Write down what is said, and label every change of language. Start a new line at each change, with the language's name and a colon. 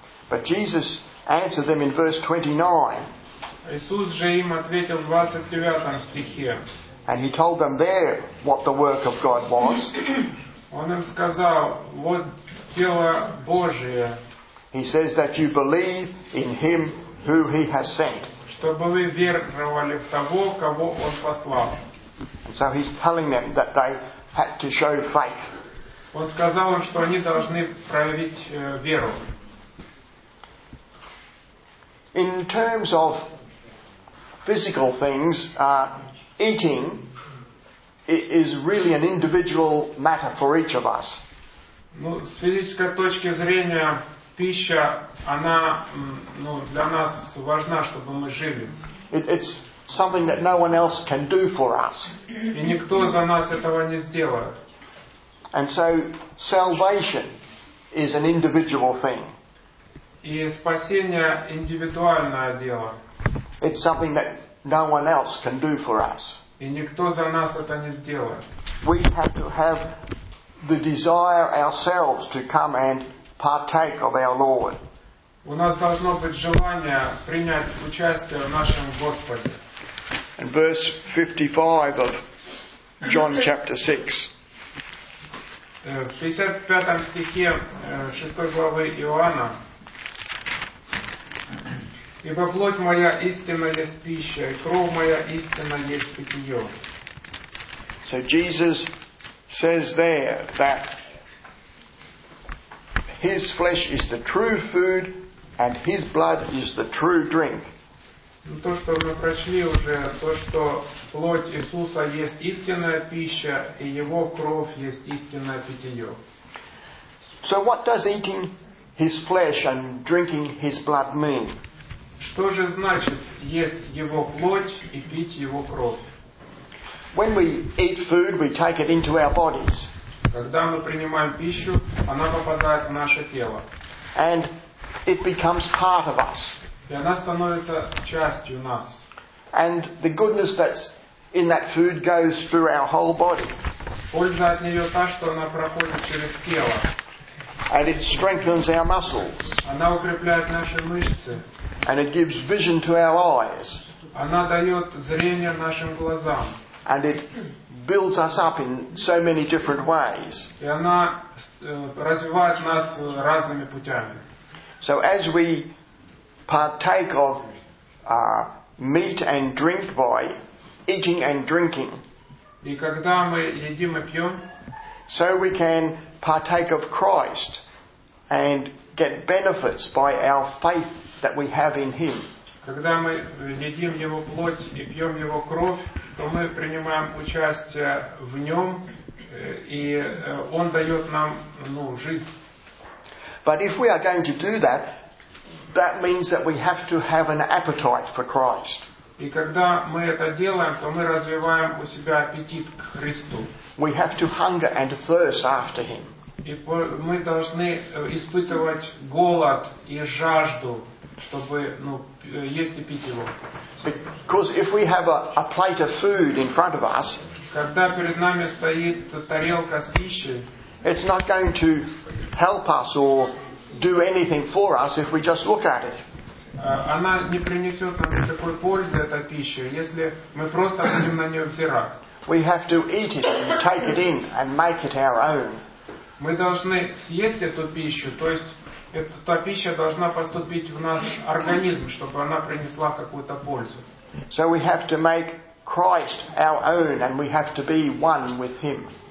English: But Jesus answered them in verse 29.
Russian: Иисус же им ответил в 29 стихе.
English: And he told them there what the work of God was.
Russian: Он им сказал, вот дело Божие.
English: He says that you believe in him who he has sent.
Russian: Чтобы вы веровали в того, кого он послал.
English: And so he's telling them that they had to show faith.
Russian: Он сказал им, что они должны проявить веру.
English: In terms of physical things, eating is really an individual matter for each of us.
Russian: Ну, с физической точки зрения, пища, она, ну, для нас важна, чтобы мы жили.
English: It's something that no one else can do for us.
Russian: И никто за нас этого не сделает.
English: And so salvation is an individual thing.
Russian: И спасение индивидуальное дело.
English: It's something that no one else can do for us.
Russian: И никто за нас это не сделает.
English: We have to have the desire ourselves to come and partake of our Lord.
Russian: У нас должно быть желание принять участие в нашем Господе.
English: And verse 55 of John chapter 6.
Russian: В 55 стихе 6 главы Иоанна. Ибо плоть моя истина есть пища, и кровь моя истина есть питье.
English: So Jesus says there that his flesh is the true food and his blood is the true drink.
Russian: То, что мы прочли уже, то, что плоть Иисуса есть истинная пища, и Его кровь есть истинное питье.
English: So what does eating His flesh and drinking His blood mean?
Russian: Что же значит есть Его плоть и пить Его кровь?
English: When we eat food, we take it into our bodies.
Russian: Когда мы принимаем пищу, она попадает в наше тело.
English: And it becomes part of us.
Russian: И она становится частью нас.
English: And the goodness that's in that food goes through our whole body.
Russian: Польза от нее та, что она проходит через тело.
English: And it strengthens our muscles.
Russian: Она укрепляет наши мышцы.
English: And it gives vision to our eyes.
Russian: Она дает зрение нашим глазам.
English: And it builds us up in so many different ways.
Russian: И она развивает нас разными путями.
English: So as we partake of meat and drink by eating and drinking.
Russian: И когда мы едим и пьем,
English: so we can partake of Christ and get benefits by our faith that we have in Him.
Russian: Когда мы едим Его плоть и пьем Его кровь, то мы принимаем участие в Нем, и Он дает нам, ну, жизнь.
English: But if we are going to do that, that means that we have to have an appetite for Christ.
Russian: И когда мы это делаем, то мы развиваем у себя аппетит к Христу.
English: We have to hunger and thirst after Him.
Russian: И мы должны испытывать голод и жажду, чтобы, ну, есть и пить его.
English: Because if we have a plate of food in front of us,
Russian: когда перед нами стоит тарелка с пищей,
English: it's not going to help us or do anything for us if we just look at it.
Russian: Она не принесет нам никакой пользы, эта пища, если мы просто будем на нее взирать.
English: We have to eat it and take it in and make it our own.
Russian: Мы должны съесть эту пищу, то есть эта пища должна поступить в наш организм, чтобы она принесла какую-то пользу.
English: So we have to make Christ our own and we have to be one with Him.